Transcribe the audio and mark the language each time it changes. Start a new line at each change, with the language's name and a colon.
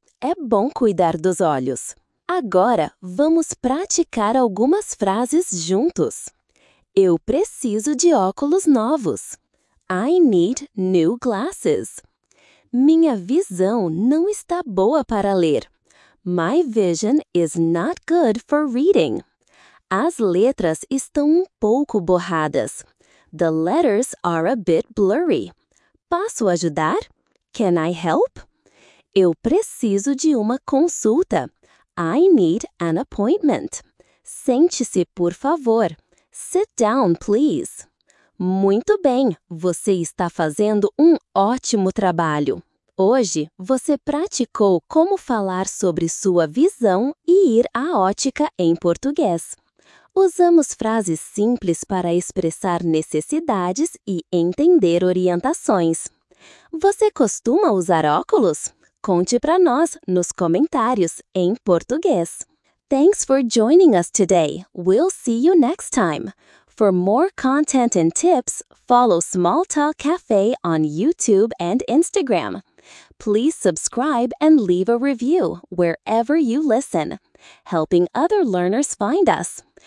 Portuguese: É bom cuidar dos olhos. Agora, vamos praticar algumas frases juntos. Eu preciso de óculos novos.
English: I need new glasses.
Portuguese: Minha visão não está boa para ler.
English: My vision is not good for reading.
Portuguese: As letras estão pouco borradas.
English: The letters are a bit blurry.
Portuguese: Posso ajudar?
English: Can I help?
Portuguese: Eu preciso de consulta.
English: I need an appointment.
Portuguese: Sente-se, por favor.
English: Sit down, please.
Portuguese: Muito bem, você está fazendo ótimo trabalho. Hoje, você praticou como falar sobre sua visão e ir à ótica em português. Usamos frases simples para expressar necessidades e entender orientações. Você costuma usar óculos? Conte para nós nos comentários em português.
English: Thanks for joining us today. We'll see you next time. For more content and tips, follow Small Talk Cafe on YouTube and Instagram. Please subscribe and leave a review wherever you listen, helping other learners find us.